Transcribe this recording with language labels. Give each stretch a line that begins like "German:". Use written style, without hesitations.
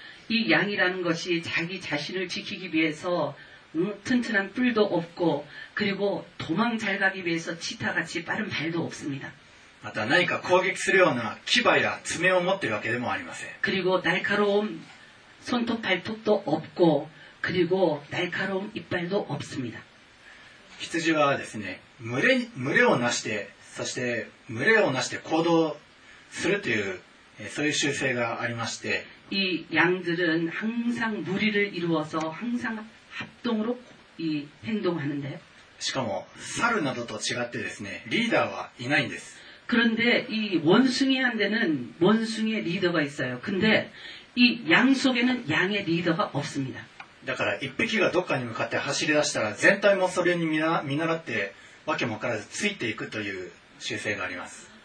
Korean: 이양이라는것이자기자신을지키기위해서튼튼한뿔도없고、그리고도망잘가기위해서치타같이빠른발도없습니다。
Japanese: また何か攻撃するような牙や爪を持っているわけでもありません。
Korean: 그리고날카로운손톱발톱도없고、 그리고날카로운이빨도없습니다
Japanese: 羊はですね、群れをなして、そして群れをなして行動するという、そういう習性がありまして、
Korean: 이양들은항상무리를이루어서항상합동으로이행동하는데
Japanese: しかも猿などと違ってですね、リーダーはいないんです。
Korean: 그런데이원숭이한테는원숭이의리더가있어요。 근데이양속에는양의리더가없습니다。
Japanese: だから一匹がどっかに向かって走り出したら全体もそれに見習ってわけもわからずついていくという習性があります。